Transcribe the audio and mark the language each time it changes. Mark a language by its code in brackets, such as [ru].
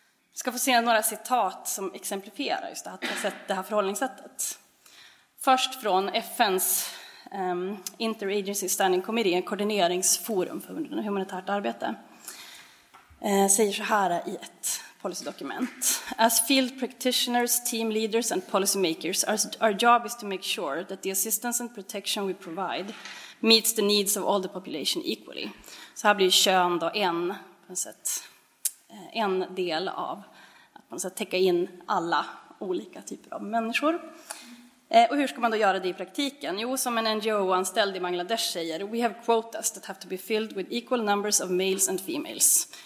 [sv] Jag ska få se några citat som exemplifierar just det här förhållningssättet. Först från FN:s Interagency Standing Committee, en koordineringsforum för humanitärt arbete. säger så här i ett policydokument. [en] As field practitioners, team leaders and policymakers, our job is to make sure that the assistance and protection we provide meets the needs of all the population equally. [sv] Så här blir kön då en, på något sätt, en del av att man ska täcka in alla olika typer av människor. Och hur ska man då göra det i praktiken? Jo, som en NGO-anställd i Bangladesh säger, [en] we have quotas that have to be filled with equal numbers of males and females.